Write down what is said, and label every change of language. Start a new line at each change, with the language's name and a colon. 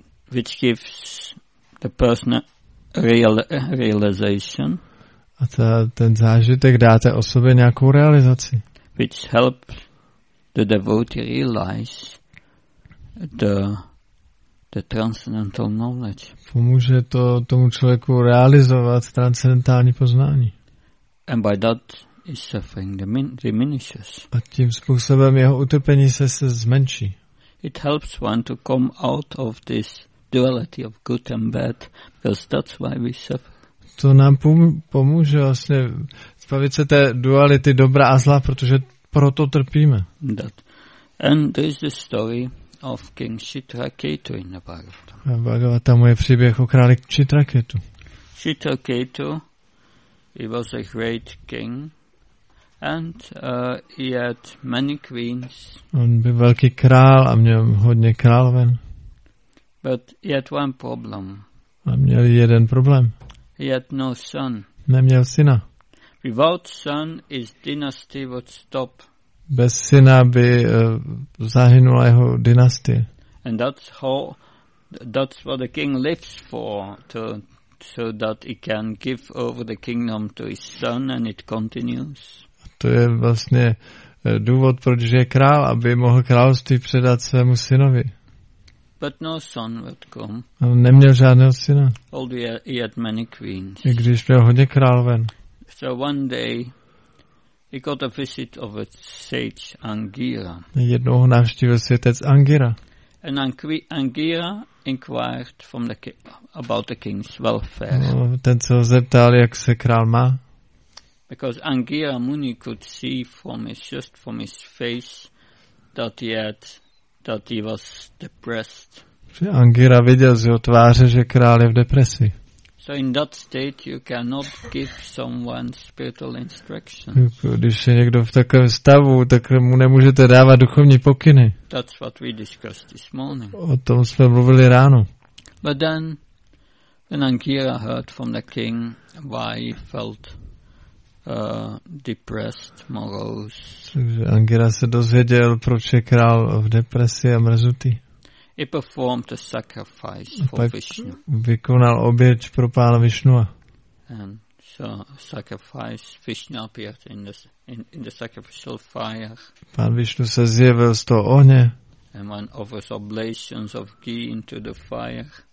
English: Which gives the person realization.
Czech: A ten zážitek dá té osobě nějakou realizaci.
English: Which helps the devotee realize the transcendental knowledge.
Czech: Pomůže to tomu člověku realizovat transcendentální poznání.
English: And by that his suffering diminishes.
Czech: A tím způsobem jeho utrpení se zmenší.
English: It helps one to come out of this duality of good and bad, because that's why we suffer.
Czech: To nám pomůže vlastně zbavit se té duality dobra a zla, protože proto trpíme.
English: That. And there is the story of King Chitraketu in the Bhagavatam.
Czech: Bhagavatam je příběh o králi Chitraketu.
English: Chitraketu, he was a great king. And he had many queens.
Czech: On byl velký král a měl hodně královen.
English: But he had one problem.
Czech: A měl jeden problém.
English: He had no son.
Czech: Neměl syna.
English: Without son, his dynasty would stop.
Czech: Bez syna by zahynula jeho dynastie.
English: And that's what the king lives for, so that he can give over the kingdom to his son and it continues.
Czech: To je vlastně důvod, proč je král, aby mohl království předat svému synovi.
English: But no son would come.
Czech: On neměl žádného syna.
English: Although he had many queens.
Czech: I když měl hodně královen.
English: So one day He got a visit of a sage Angira.
Czech: Jednoho navštívil světec Angira.
English: And Angira inquired from the about the king's welfare.
Czech: No, ten se ho zeptal, jak se král má.
English: Because Angira Muni could see from his, just from his face that he had, that he was depressed.
Czech: Angira viděl z jeho tváře, že král je v depresi.
English: So in that state you cannot give someone spiritual instruction.
Czech: Když je někdo v takovém stavu, tak mu nemůžete dávat duchovní pokyny.
English: That's what we discussed this morning.
Czech: O tom jsme mluvili ráno.
English: But then when Angira heard from the king why he felt depressed, morose.
Czech: Takže Angira se dozvěděl, proč je král v depresi a mrzutý.
English: He performed a sacrifice for Vishnu.
Czech: Vykonal oběť pro pána Vishnua.
English: And so sacrifice Vishnu appeared in the sacrificial fire.
Czech: Pán Vishnu se zjevil z toho ohně.
English: And one offers oblations of ghee into the fire.